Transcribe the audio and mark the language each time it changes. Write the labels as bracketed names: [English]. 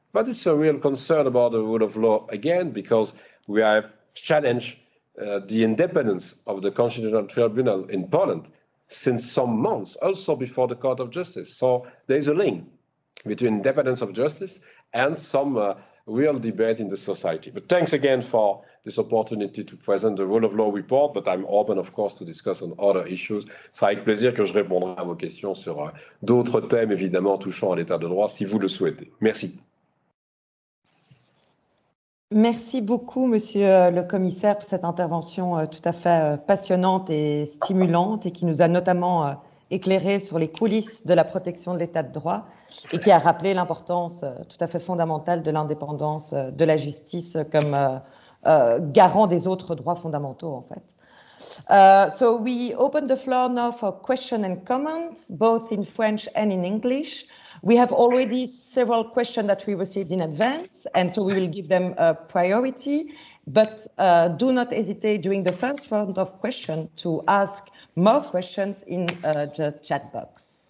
[English] But it's a real concern about the rule of law again, because we have challenged the independence of the constitutional tribunal in Poland since some months, also before the Court of Justice. So there is a link between independence of justice and some real debate in the society. But thanks again for this opportunity to present the rule of law report, but I'm open, of course, to discuss on other issues. [French] C'est avec plaisir que je répondrai à vos questions sur d'autres thèmes, évidemment, touchant à l'état de droit, si vous le souhaitez. Merci. Merci beaucoup, Monsieur le Commissaire, pour cette intervention tout à fait passionnante et stimulante et qui nous a notamment éclairé sur les coulisses de la protection de l'état de droit et qui a rappelé l'importance tout à fait fondamentale de l'indépendance de la justice comme garant des autres droits fondamentaux, en fait. [English] So we open the floor now for questions and comments, both in French and in English. We have already several questions that we received in advance, and so we will give them a priority. But do not hesitate during the first round of questions to ask more questions in the chat box.